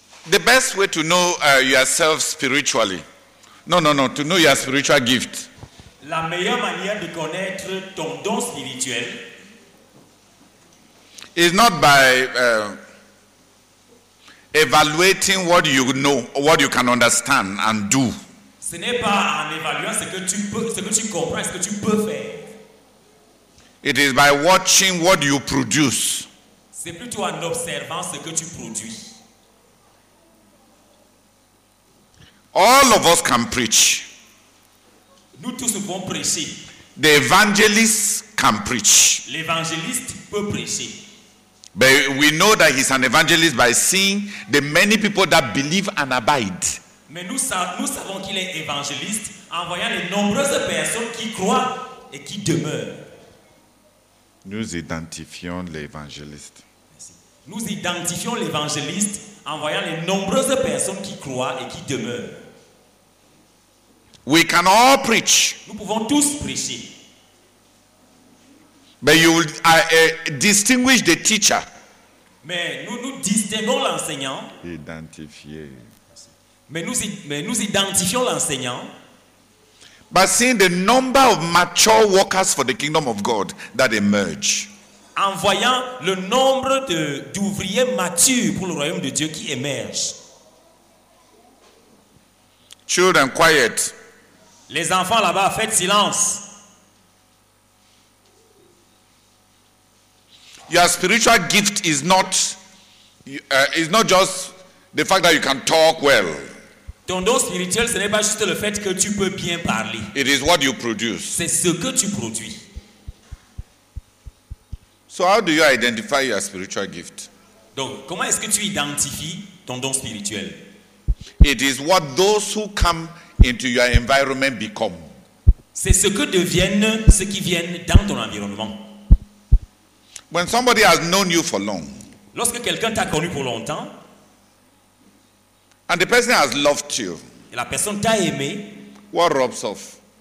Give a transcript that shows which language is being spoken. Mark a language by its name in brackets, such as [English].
[English] The best way to know yourself spiritually, to know your spiritual gift. [French] La meilleure manière de connaître ton don spirituel [English] is not by evaluating what you know, what you can understand and do. [French] Ce n'est pas en évaluant ce que tu peux, ce que tu comprends, ce que tu peux faire. [English] It is by watching what you produce. [French] C'est plutôt en observant ce que tu produis. [English] All of us can preach. [French] Nous tous pouvons prêcher. [English] The evangelist can preach. [French] L'évangéliste peut prêcher. [English] But we know that he's an evangelist by seeing the many people that believe and abide. [French] Mais nous savons qu'il est évangéliste en voyant les nombreuses personnes qui croient et qui demeurent. Nous identifions l'évangéliste. Nous identifions l'évangéliste en voyant les nombreuses personnes qui croient et qui demeurent. [English] We can all preach. [French] Nous pouvons tous prêcher. [English] But you will distinguish the teacher. [French] Mais nous distinguons l'enseignant. Identifier. Mais nous identifions l'enseignant. [English] By seeing the number of mature workers for the kingdom of God that emerge. [French] En voyant le nombre d'ouvriers matures pour le royaume de Dieu qui émerge. [English] Children, quiet. [French] Les enfants là-bas, faites silence. [English] Your spiritual gift is not just the fact that you can talk well. [French] Ton don spirituel, ce n'est pas juste le fait que tu peux bien parler. [English] It is what you produce. [French] C'est ce que tu produis. [English] So how do you identify your spiritual gift? [French] Donc, comment est-ce que tu identifies ton don spirituel? [English] It is what those who come into your environment become. [French] C'est ce que deviennent ceux qui viennent dans ton environnement. [English] When somebody has known you for long, [French] lorsque quelqu'un t'a connu pour longtemps, [English] and the person has loved you, [French] et la personne t'a aimé, [English] what rubs off?